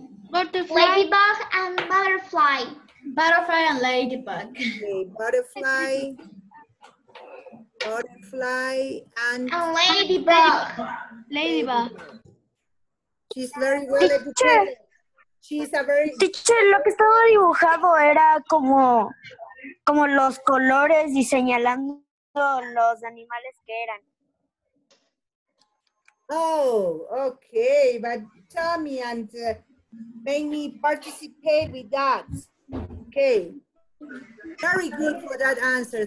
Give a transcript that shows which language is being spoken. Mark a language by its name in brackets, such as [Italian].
[English] Butterfly. Ladybug and butterfly. Butterfly and ladybug. Okay, butterfly. Butterfly and... And ladybug. Ladybug. She's very well educated. She's a very... [Spanish] Teacher, lo que estaba dibujado era como... como los colores y señalando los animales que eran. [English] Oh, okay, but tell me and make me participate with that. Okay, very good for that answer.